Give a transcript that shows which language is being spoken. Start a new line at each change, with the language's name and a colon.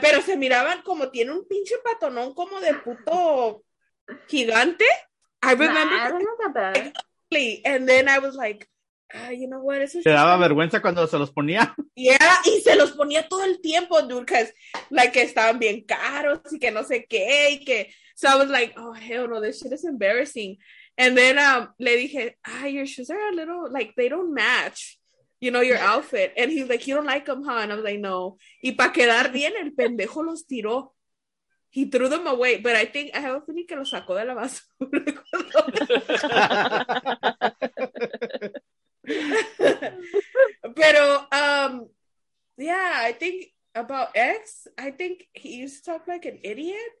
Spanish: Pero se miraban como tiene un pinche patonón como de puto gigante.
English: I remember. Nah, they're not that bad. And then I was like, you know what?
Spanish: Se daba funny. Vergüenza cuando se los ponía. Yeah, y se los ponía todo el tiempo, dude,
English: because like
Spanish: estaban bien caros y que no sé qué. Y que...
English: So I was like, oh, hell no, this shit is embarrassing. And then
Spanish: le dije,
English: your shoes are a little, like, they don't match, you know, your outfit. And he's like, you don't like them, huh? And I was like, no.
Spanish: Y para quedar bien, el pendejo los tiró.
English: He threw them away, but I think I have a feeling
Spanish: que lo sacó de la basura.
English: Pero, yeah, I think about X, I think he used to talk like an idiot.